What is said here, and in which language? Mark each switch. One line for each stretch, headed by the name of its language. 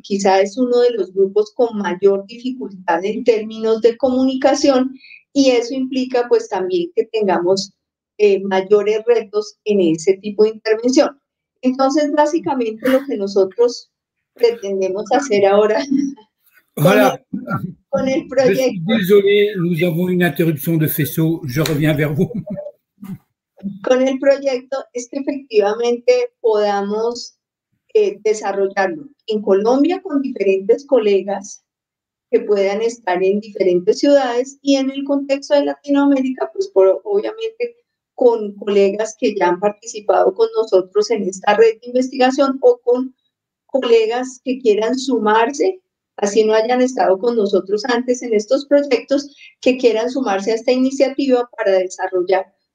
Spanish: Quizá es uno de los grupos con mayor dificultad en términos de comunicación y eso implica pues también que tengamos mayores retos en ese tipo de intervención. Entonces, básicamente lo que nosotros pretendemos hacer ahora con el proyecto...
French: Désolé, nous avons une interruption de faisceau, je reviens vers vous.
Spanish: Con el proyecto es que efectivamente podamos desarrollarlo en Colombia con diferentes colegas que puedan estar en diferentes ciudades y en el contexto de Latinoamérica, pues obviamente con colegas que ya han participado con nosotros en esta red de investigación o con colegas que quieran sumarse, así no hayan estado con nosotros antes en estos proyectos, que quieran sumarse a esta iniciativa para desarrollar